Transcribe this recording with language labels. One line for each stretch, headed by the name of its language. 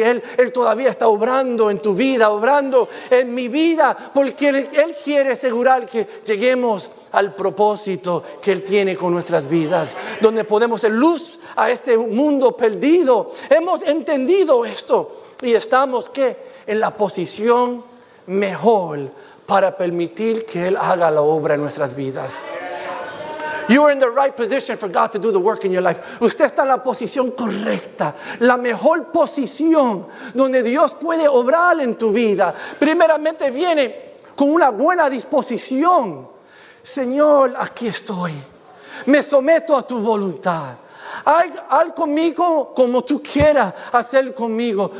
Spanish: Él todavía está obrando en tu vida, obrando en mi vida, porque Él quiere asegurar que lleguemos al propósito que Él tiene con nuestras vidas, donde podemos ser luz a este mundo perdido. Hemos entendido esto y estamos, ¿qué?, en la posición mejor para permitir que Él haga la obra en nuestras vidas.
English: You are in the right position for God to do the work in your life.
Spanish: Usted está en la posición correcta, la mejor posición donde Dios puede obrar en tu vida. Primeramente viene con una buena disposición. Señor, aquí estoy. Me someto a tu voluntad. Haz conmigo como tú quieras hacer conmigo.